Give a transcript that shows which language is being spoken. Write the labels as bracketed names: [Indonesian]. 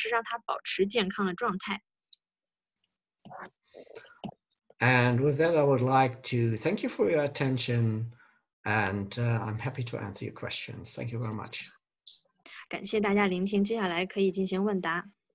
[Chinese] 首先就是要在分析之后做出战略决策，接下来呢要有卫生措施、生物安全方案，还有这个养殖管理以及预防方面的相应措施。另外呢，员工也要素质非常高才可以。那关键就是说，我们不是要让动物变得健康，而是让它保持健康的状态。 [English] And with that, I would like to thank you for your attention, and I'm happy to answer your questions. Thank you very much. [Chinese] 感谢大家聆听，接下来可以进行问答。